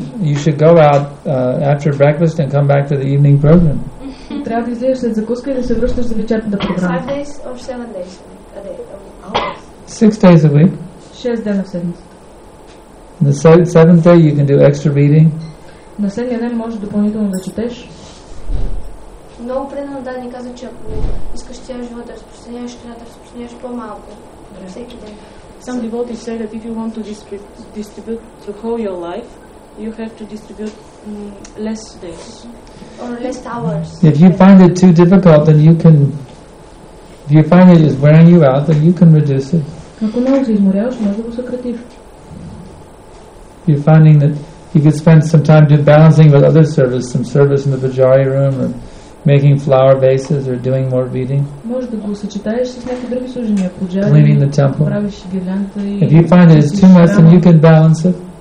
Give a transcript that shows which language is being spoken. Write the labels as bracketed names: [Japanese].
[English] You should go out after breakfast and come back to the evening program. [Bulgarian] Трябва да излезеш след закуска и да се връщаш за вечерната програма. [English] 5 days or 7 days a day. 6 days a week. [Bulgarian] 6 дена в седмицата. [English] The seventh day you can do extra reading. [Bulgarian] На седмия ден можеш допълнително да четеш. Много преди да ни каза, че ако искаш цял живот да разпространяваш, трябва да разпространяваш по-малко. Всеки ден. [English] Some devotees say that if you want to distribute the whole your life, you have to distribute less days. Or less hours. If you find it too difficult, then you can... If you find it is wearing you out, then you can reduce it. [Bulgarian] Ако много се изморяваш, може да го съкратиш. [English] You're finding that you could spend some time doing balancing with other service, some service in the Vajari room, or making flower vases, or doing more reading. Cleaning the temple. If you find it is too much, then you can balance it.